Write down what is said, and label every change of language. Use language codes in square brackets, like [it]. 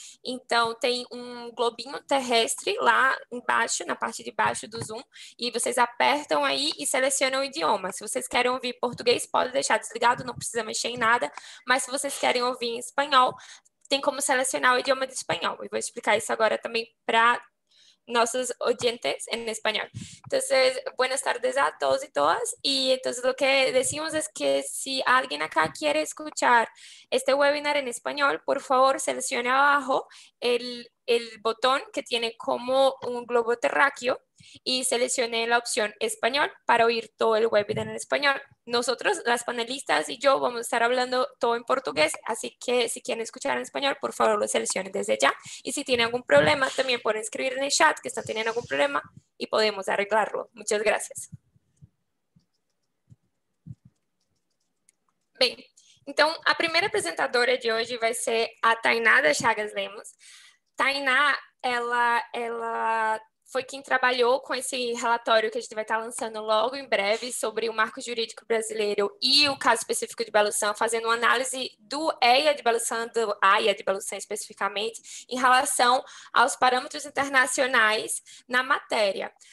[pt] Então, tem um globinho terrestre lá embaixo, na parte de baixo do Zoom, e vocês apertam aí e selecionam o idioma. Se vocês querem ouvir português, pode deixar desligado, não precisa mexer em nada. Mas se vocês querem ouvir em espanhol, tem como selecionar o idioma de espanhol. E vou explicar isso agora também para nossos [es] oyentes en español. Entonces, buenas tardes a todos y todas. Y entonces lo que decimos es que si alguien acá quiere escuchar este webinar en español, por favor, seleccione abajo el botón que tiene como un globo terráqueo y seleccione la opción español para oír todo el webinar en español. Nosotros, las panelistas y yo, vamos a estar hablando todo en portugués, así que si quieren escuchar en español, por favor, lo seleccionen desde ya. Y si tienen algún problema, también pueden escribir en el chat que están teniendo algún problema y podemos arreglarlo. Muchas gracias. Bien, entonces, la primera presentadora de hoy va a ser a Tainá de Chagas Lemos. [pt] Tainá, ela foi quem trabalhou com esse relatório que a gente vai estar lançando logo em breve sobre o marco jurídico brasileiro e o caso específico de Belo Sam, fazendo uma análise do EIA de Belo Sam, do AIA de Belo Sam especificamente, em relação aos parâmetros internacionais na matéria.